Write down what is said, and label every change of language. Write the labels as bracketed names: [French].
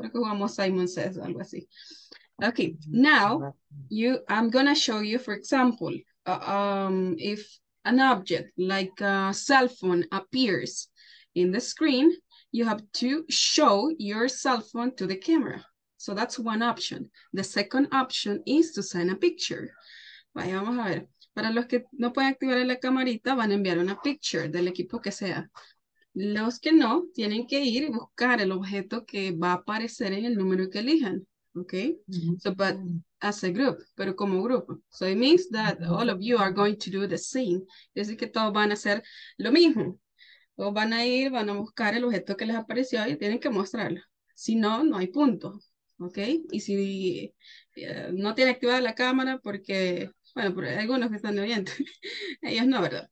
[Spanish] Creo que jugamos Simon Says, algo así. [English] Okay, now I'm gonna show you, for example, if an object like a cell phone appears in the screen, you have to show your cell phone to the camera. So that's one option. The second option is to send a picture. [Spanish] Vaya, vamos a ver. Para los que no pueden activar la camarita, van a enviar una picture del equipo que sea. Los que no, tienen que ir y buscar el objeto que va a aparecer en el número que elijan. [English] Okay, so but as a group, [Spanish] pero como grupo. [English] So it means that all of you are going to do the same. [Spanish] Es decir, que todos van a hacer lo mismo. Todos van a ir, van a buscar el objeto que les apareció y tienen que mostrarlo. Si no, no hay punto. Okay, y si no tiene activada la cámara porque, bueno, por algunos que están oyendo, ellos no, ¿verdad?